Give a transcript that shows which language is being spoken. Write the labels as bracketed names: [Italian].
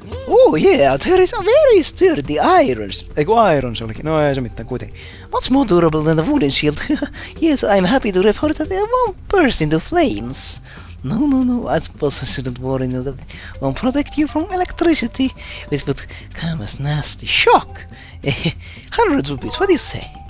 [English] Oh yeah, there is a very sturdy iron. [Finnish] Eiku iron se olikin. No ei se mitään, kuitenkin. [English] Much more durable than the wooden shield. Yes, I'm happy to report that it won't burst into flames. No, I suppose I shouldn't worry you that it won't protect you from electricity, which would come as nasty shock. 100 rupees, what do you say?